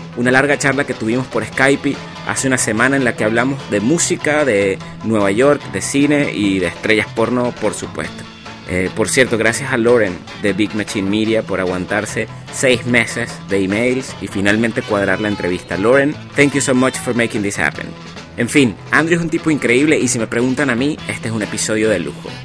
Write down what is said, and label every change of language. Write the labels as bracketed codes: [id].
[es] Una larga charla que tuvimos por Skype hace una semana en la que hablamos de música, de Nueva York, de cine y de estrellas porno, por supuesto. Por cierto, gracias a Lauren de Big Machine Media por aguantarse 6 meses de emails y finalmente cuadrar la entrevista. [en] Lauren, thank you so much for making this happen. [es] En fin, Andrew es un tipo increíble y si me preguntan a mí, este es un episodio de lujo.